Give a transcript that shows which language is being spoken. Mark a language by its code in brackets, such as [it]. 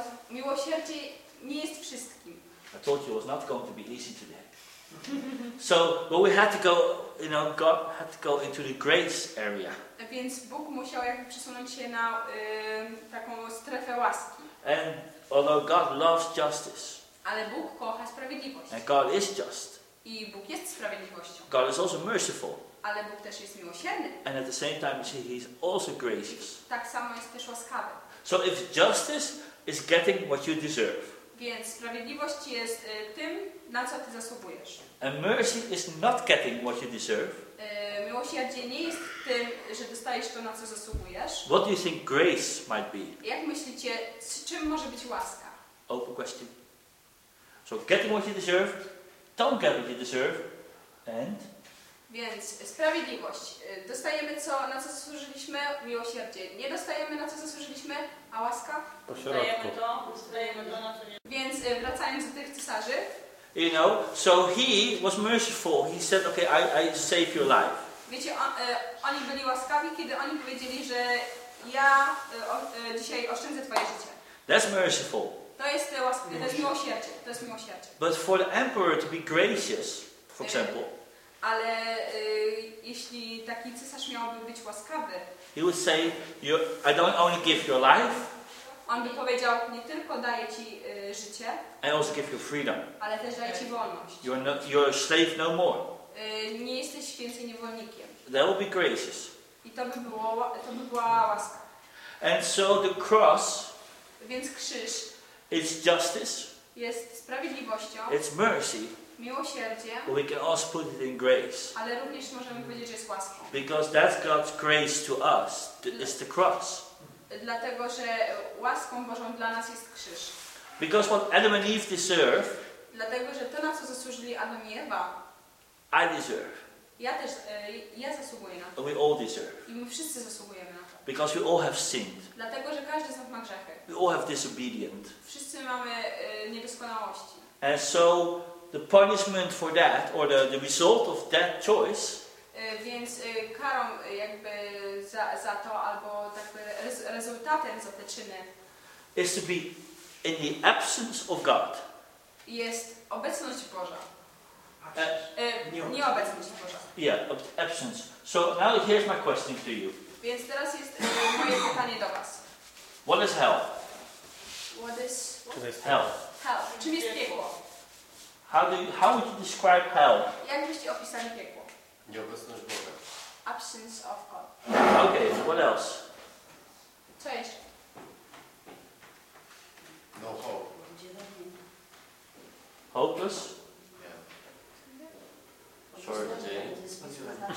[pl] Miłosierdzie nie jest wszystkim. [en] I told you it was not going to be easy today. So, but we had to go, you know, God had to go into the grace area. [pl] Więc Bóg musiał jakby przesunąć się na taką strefę łaski. [en] And although God loves justice. [pl] Ale Bóg kocha sprawiedliwość. [en] And God is just. [pl] I Bóg jest sprawiedliwością. [en] God is also merciful. [pl] Ale Bóg też jest miłosierny. [en] And at the same time, He is also gracious. [pl] Tak samo jest też łaskawy. [en] So if justice is getting what you deserve. [pl] Więc sprawiedliwość jest tym, na co ty zasługujesz. [en] And mercy is not getting what you deserve. [pl] Miłosierdzie nie jest tym, że dostajesz to, na co zasługujesz. [en] What do you think grace might be? [pl] Jak myślicie, z czym może być łaska? [en] Open question. So getting what you deserve, don't get what you deserve, and? [pl] Więc sprawiedliwość. Dostajemy co, na co zasłużyliśmy? Miłosierdzie. Nie dostajemy, na co zasłużyliśmy? A łaska? Dostajemy to, dostajemy to, na co nie. Więc wracając do tych cesarzy. [en] You know, so he was merciful. He said, okay, I save your life. [pl] Wiecie, oni byli łaskawi, kiedy oni powiedzieli, że ja dzisiaj oszczędzę twoje życie. [en] That's merciful. [pl] To jest łaska, to jest miłosierdzie. To jest miłosierdzie. [en] But for the emperor to be gracious, for example. [pl] Ale jeśli taki cesarz miałby być łaskawy. [en] He would say, I don't only give your life. [pl] On by powiedział, nie tylko daję ci życie. [en] I also give you freedom. [pl] Ale też daję ci wolność. [en] You're a slave no more. [pl] Nie jesteś więcej niewolnikiem. [en] That would be gracious. [pl] I to by była łaska. [en] And so the cross. [pl] Więc krzyż. [en] It's justice. [pl] Jest sprawiedliwością. [en] It's mercy. [pl] Miłosierdzie. [en] We can also put it in grace. [pl] Ale również możemy powiedzieć, że jest łaską. [en] Because that's God's grace to us. It's the cross. [pl] Dlatego, że łaską Bożą dla nas jest krzyż. [en] Because what Adam and Eve deserve. [pl] Dlatego, że to, na co zasłużyli Adam i Ewa. [en] I deserve. [pl] Ja też, ja zasługuję na to. [en] And we all deserve. [pl] I my wszyscy zasługujemy na to. [en] Because we all have sinned. [pl] Dlatego, że każdy z nas ma grzechy. [en] We all have disobedient. [pl] Wszyscy mamy niedoskonałości. [en] And so the punishment for that, or the result of that choice. [pl] Więc karą jakby za to, albo takby rezultatem za te czyny. [en] Is to be in the absence of God. [pl] Jest obecność Boża. Nieobecność Boża. [en] Yeah, absence. So now here's my question to you. [pl] Więc teraz jest moje pytanie do was. [en] What is hell? What is hell? [pl] Hell. Czym jest piekło? [en] How would you describe hell? [pl] Jak byście opisali piekło? Nieobecność Boga. [en] Absence of God. Okay, so what else? [pl] Co jeszcze? [en] No hope. Hopeless? Yeah. Sorry, Jane.